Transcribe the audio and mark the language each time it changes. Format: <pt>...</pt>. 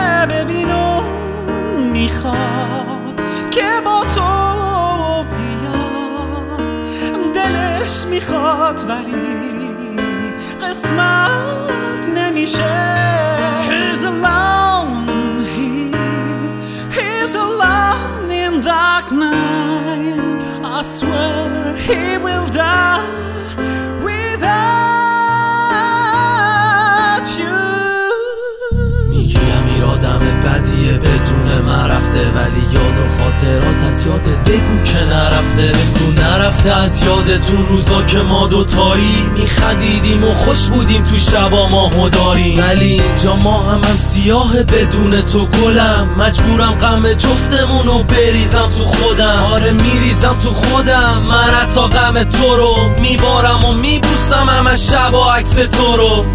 <fa>ببینو میخواد که با تو بیام، دلش میخواد ولی قسمت نمیشه.</fa> <en>He's alone here, he's alone in dark night, I swear he will die without you.</en> <fa>میگیم این آدم بدیه بدون من رفته، ولی یاد و خاطرات از یاد بگو که نرفته، نرفته از یادتون روزا که ما دوتایی میخندیدیم و خوش بودیم تو شبا ماهو داریم، ولی اینجا ما هم سیاه بدون تو گلم، مجبورم غم جفتمونو بریزم تو خودم، آره میریزم تو خودم، من حتا غم تو رو میبارم و میبوسم همه شبا عکس تو رو.</fa>